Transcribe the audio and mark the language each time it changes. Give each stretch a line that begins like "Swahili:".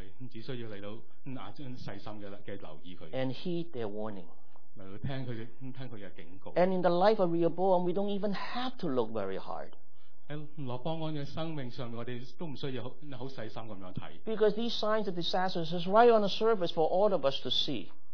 Chinese: 只需要來到細心的留意它。
English: And heed their warning.
Chinese: 聽它的警告。
English: And in the life of Rehoboam, we don't even have to look very hard.
Chinese: 在羅波安的生命上，我們都不需要很細心地看。
English: Because these signs of disasters is right on the surface for all of us to see.